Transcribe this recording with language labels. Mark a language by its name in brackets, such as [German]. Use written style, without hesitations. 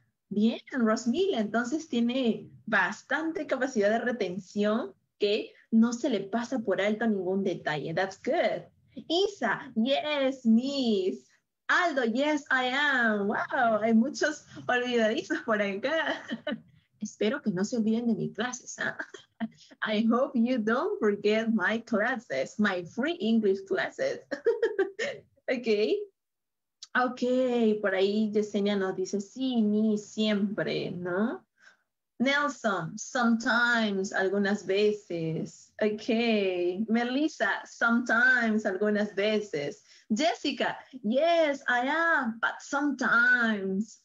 [Spanish] Bien, Rosmila, entonces tiene bastante capacidad de retención que no se le pasa por alto ningún detalle. [English] That's good. Isa, yes, Miss. Aldo, yes, I am. [Spanish] Wow, hay muchos olvidadizos por acá. Espero que no se olviden de mis clases. ¿Eh? [English] I hope you don't forget my classes, my free English classes. Okay. [Spanish] Okay, por ahí Yesenia nos dice, sí, ni siempre, ¿no? Nelson, sometimes, algunas veces. Okay. Melissa, sometimes, algunas veces. [English] Jessica, yes, I am, but sometimes.